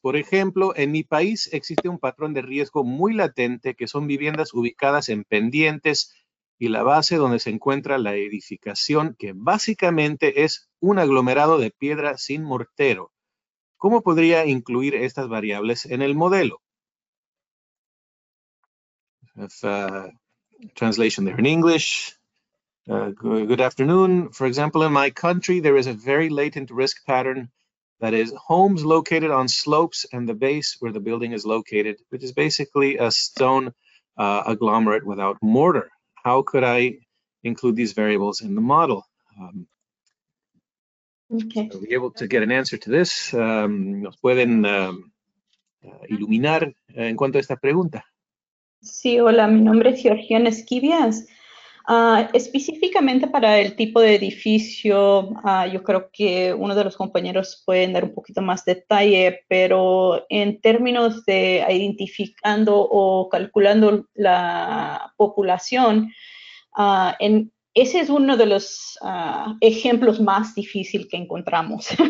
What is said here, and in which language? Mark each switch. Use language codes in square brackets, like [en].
[es] Por ejemplo, en mi país existe un patrón de riesgo muy latente, que son viviendas ubicadas en pendientes y la base donde se encuentra la edificación, que básicamente es un aglomerado de piedra sin mortero. ¿Cómo podría incluir estas variables en el modelo? [en] Translation there in English. Good afternoon. For example, in my country, there is a very latent risk pattern, that is homes located on slopes and the base where the building is located, which is basically a stone agglomerate without mortar. How could I include these variables in the model? Okay. Are we able to get an answer to this? [es] ¿Nos pueden iluminar en cuanto a esta pregunta? Sí, hola, mi nombre es Georgiana Esquivias. Específicamente para el tipo de edificio, yo creo que uno de los compañeros puede dar un poquito más detalle, pero en términos de identificando o calculando la población, en ese es uno de los ejemplos más difíciles que encontramos.